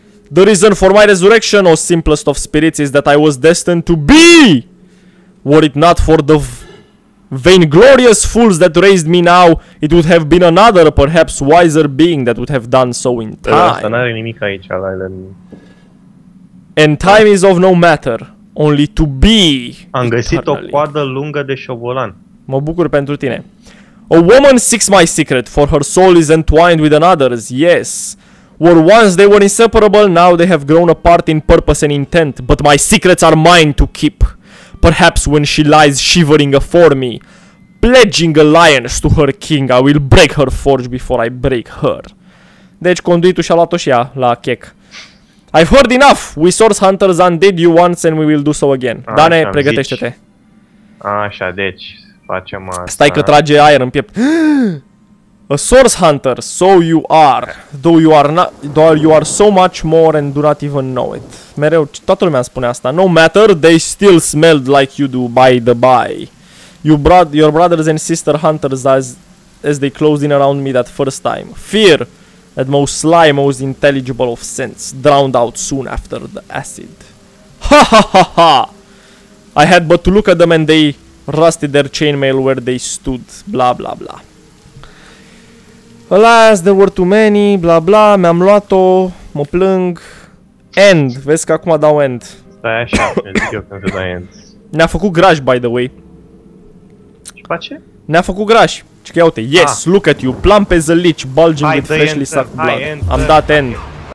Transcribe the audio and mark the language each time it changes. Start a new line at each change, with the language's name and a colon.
English: The reason for my resurrection, O simplest of spirits, is that I was destined to be. Were it not for the vainglorious fools that raised me now, it would have been another, perhaps wiser being that would have done so in time.
Romanian: Asta n-are nimic aici, Alain.
English: And time is of no matter, only to be.
Romanian: Am găsit o coadă lungă de șobolan. Mă bucur pentru tine.
English: A woman seeks my secret, for her soul is entwined with another's, yes. Where once they were inseparable, now they have grown apart in purpose and intent, but my secrets are mine to keep. Perhaps when she lies shivering afore me, pledging alliance to her king. I will break her forge before I break her.
Romanian: Deci conduitul și-a luat-o și ea la chec.
English: I've heard enough. We source hunters undead you once and we will do so again.
Romanian: A, Dane, pregătește-te. Așa, deci facem asta. Stai că trage aer în piept.
English: A source hunter, so you are. Though you are not, though you are so much more and do not even know it.
Romanian: Mereu, toată lumea spune asta.
English: No matter, they still smelled like you do by the by. You brought your brothers and sister hunters as they closed in around me that first time. Fear, that most sly, most intelligible of scents, drowned out soon after the acid. Ha ha ha ha! I had but to look at them and they rusted their chainmail where they stood. Bla bla bla. Alas, there were too many, bla bla,
Romanian: mi-am luat-o, mă plâng. End, vezi că acum dau end. Stai așa, zic eu când se dau end. Ne-a făcut graș,
English: by the way.
Romanian: Ce face? Ne-a făcut graș. Și că ia uite,
English: yes, look at you, plump as a leech, bulging with freshly sucked blood.
Romanian: Am dat end.